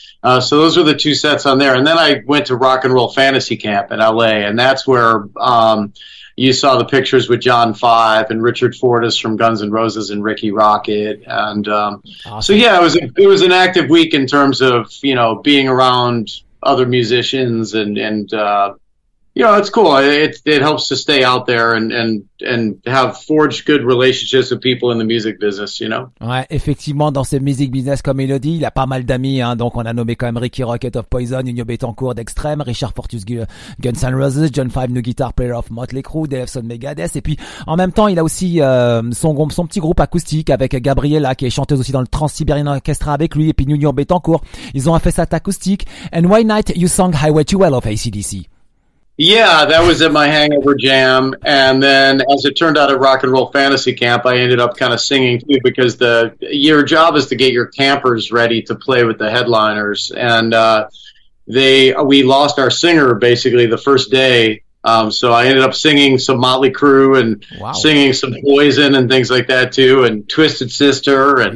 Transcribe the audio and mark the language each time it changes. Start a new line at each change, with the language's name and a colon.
English: So those were the two sets on there, and then I went to Rock and Roll Fantasy Camp in L.A., and that's where you saw the pictures with John Five and Richard Fortus from Guns N' Roses and Ricky Rocket. And awesome. So, yeah, it was an active week in terms of, you know, being around other musicians and it's cool. It helps to stay out there and have forged good relationships with people in the music business, you know.
French: Ouais, effectivement, dans ce music business, comme il le dit, il y a pas mal d'amis, hein. Donc, on a nommé quand même Ricky Rocket of Poison, Nuno Betancourt d'Extrême, Richard Fortus Guns N' Roses, John Five,
English: new guitar player of Motley Crue,
French: Dave Son Megadeth. Et puis, en même temps, il a aussi son petit groupe acoustique avec Gabriella, qui est chanteuse aussi dans le Trans-Sibérien Orchestra avec lui, et puis Nuno Betancourt. Ils ont fait ça acoustique.
English: And why not you sang Highway to Hell of AC/DC? Yeah, that was at my Hangover Jam, and then as it turned out at Rock and Roll Fantasy Camp, I ended up kind of singing too, because your job is to get your campers ready to play with the headliners, and we lost our singer basically the first day, so I ended up singing some Motley Crue and singing some Poison and things like that too, and Twisted Sister, and